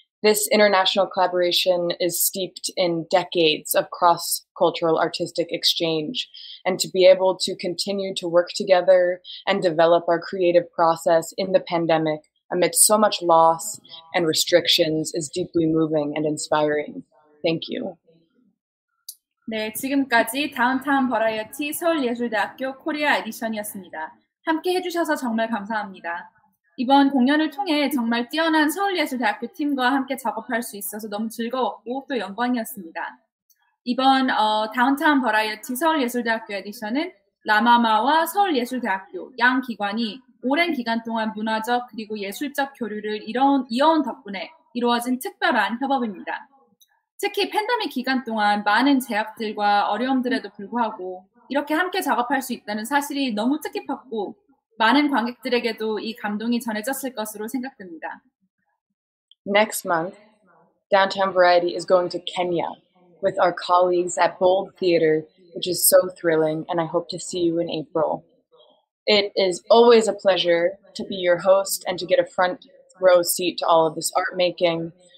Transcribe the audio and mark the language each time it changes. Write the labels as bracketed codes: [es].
[en] This international collaboration is steeped in decades of cross-cultural artistic exchange. And to be able to continue to work together and develop our creative process in the pandemic amidst so much loss and restrictions is deeply moving and inspiring. Thank you. [ko] 네, 지금까지 다운타운 버라이어티 서울예술대학교 코리아 에디션이었습니다. 함께 해주셔서 정말 감사합니다. 이번 공연을 통해 정말 뛰어난 서울예술대학교 팀과 함께 작업할 수 있어서 너무 즐거웠고 또 영광이었습니다. 이번 다운타운 버라이어티 서울예술대학교 에디션은 라마마와 서울예술대학교 양 기관이 오랜 기간 동안 문화적 그리고 예술적 교류를 이어온 덕분에 이루어진 특별한 협업입니다. 특히 팬데믹 기간 동안 많은 제약들과 어려움들에도 불구하고 이렇게 함께 작업할 수 있다는 사실이 너무 뜻깊었고 많은 관객들에게도 이 감동이 전해졌을 것으로 생각됩니다. [en] Next month, Downtown Variety is going to Kenya with our colleagues at Bold Theater, which is so thrilling, and I hope to see you in April. It is always a pleasure to be your host and to get a front row seat to all of this art making.